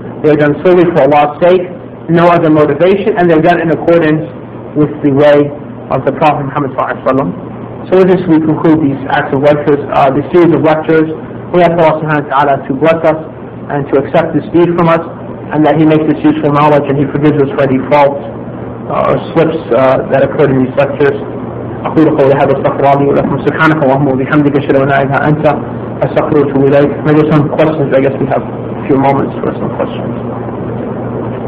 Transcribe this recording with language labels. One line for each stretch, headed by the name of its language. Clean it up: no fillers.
English: They are done solely for Allah's sake, no other motivation, and they're done in accordance with the way of the Prophet Muhammad sallallahu alaihi wasallam. So with this, we conclude these acts of lectures, this series of lectures. We ask Allah subhanahu wa ta'ala to bless us and to accept this deed from us, and that he makes us useful knowledge and he forgives us for any faults or slips that occurred in these lectures.
Arabic: أقول قولي هذا استغفر الله لي ولكم سبحانك اللهم وبحمدك اشهد ان لا اله الا انت استغفرك واليك.
English: Maybe there's some questions. I guess we have a few moments for some questions.